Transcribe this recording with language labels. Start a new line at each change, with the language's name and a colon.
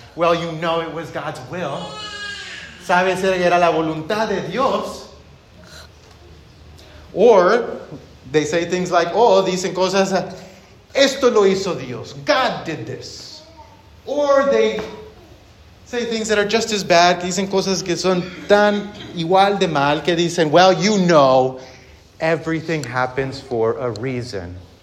English: Well, you know it was God's will.
Spanish: Sabes que era la voluntad de Dios.
English: Or, they say things like, oh,
Spanish: dicen cosas, esto lo hizo Dios.
English: God did this. Or they say things that are just as bad.
Spanish: Dicen cosas que son tan igual de mal. Que dicen,
English: well, you know, everything happens for a reason.